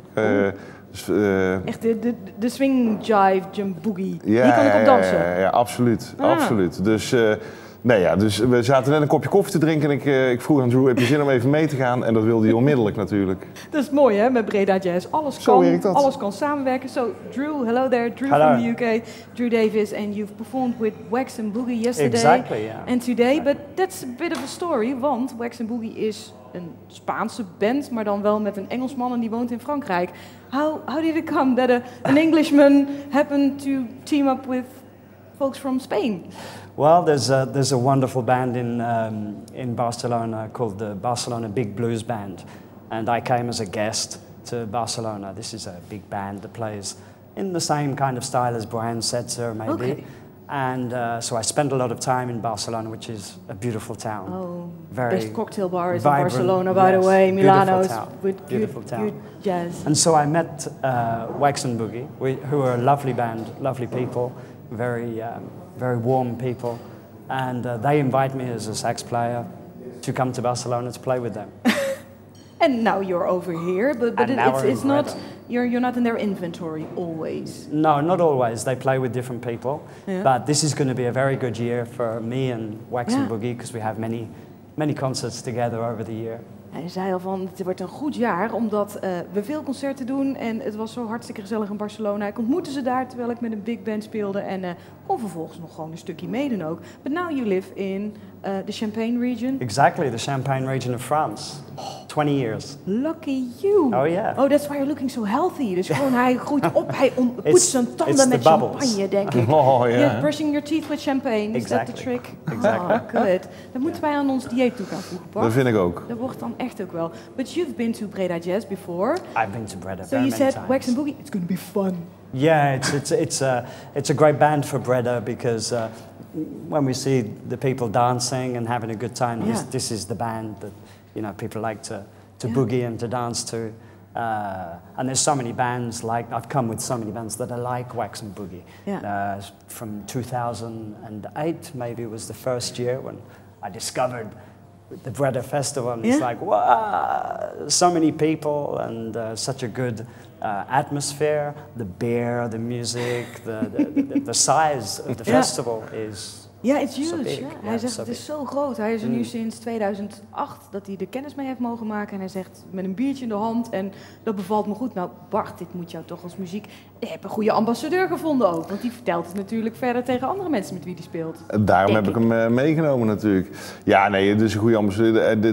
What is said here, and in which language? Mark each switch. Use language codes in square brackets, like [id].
[nl] Echt de swing jive, jump boogie. Ja, die kan ik op dansen. Ja, absoluut. Ah. Absoluut. Dus... nee ja, dus we zaten net een kopje koffie te drinken en ik vroeg aan Drew, heb je zin om even mee te gaan? En dat wilde hij onmiddellijk natuurlijk. Dat is mooi hè, met Breda Jazz. Alles kan, samenwerken. [en] So, Drew, hello there. [nl] Drew [en] hello. From the UK. Drew Davis, and you've performed with Wax and Boogie yesterday. Exactly, yeah. And today, but that's a bit of a story, [nl] want Wax and Boogie is een Spaanse band, maar dan wel met een Engelsman en die woont in Frankrijk. [en] How did it come that an Englishman happened to team up with folks from Spain? Well, there's a wonderful band in Barcelona called the Barcelona Big Blues Band, and I came as a guest to Barcelona. This is a big band that plays in the same kind of style as Brian Setzer, maybe. Okay. And so I spent a lot of time in Barcelona, which is a beautiful town. Oh, very best cocktail bar is vibrant, in Barcelona, by yes, the way. Milano's beautiful town. Good jazz. And so I met Wax and Boogie, who are a lovely band, lovely people, very. Very warm people, and they invite me as a sax player to come to Barcelona to play with them. And now you're over here, but it's not, you're not in their inventory always. No, not always. They play with different people, yeah. But this is going to be a very good year for me and Wax and Boogie because we have many, many concerts together over the year. [nl] Hij zei al van, het wordt een goed jaar, omdat we veel concerten doen en het was zo hartstikke gezellig in Barcelona. Ik ontmoette ze daar terwijl ik met een big band speelde en kon vervolgens nog gewoon een stukje meedoen ook. [en] But now you live in the Champagne region. Exactly, the Champagne region of France. 20 years. Lucky you. Oh yeah. Oh, that's why you're looking so healthy. [nl] Dus gewoon hij groeit op, hij poetst zijn tanden met champagne, denk ik. [en] Oh yeah. You're brushing your teeth with champagne. Exactly. Is that the trick? Exactly. Oh, good. [nl] Dan moeten wij aan ons dieet toe gaan voegen, Bart. Dat vind ik ook. Dat wordt dan echt ook wel. [en] But you've been to Breda Jazz before. I've been to Breda so very you many said, times. Wax and Boogie, it's going to be fun. Yeah, it's a great band for Breda because when we see the people dancing and having a good time, this is the band that you know people like to boogie and to dance to. And there's so many bands like I've come with so many bands that are like Wax and Boogie. Yeah. From 2008, maybe it was the first year when I discovered the Breda Festival. And it's like, wow, so many people and such a good atmosphere. The beer, the music, the size of the festival is. Ja, it's huge. So big. [nl] Ja. Hij zegt, het is zo groot. Hij is er nu sinds 2008 dat hij er kennis mee heeft mogen maken. En hij zegt, met een biertje in de hand. En dat bevalt me goed. Nou, Bart, dit moet jou toch als muziek... Je hebt een goede ambassadeur gevonden ook. Want die vertelt het natuurlijk verder tegen andere mensen met wie hij speelt. Daarom heb ik hem meegenomen natuurlijk. Ja, nee, het is een goede ambassadeur.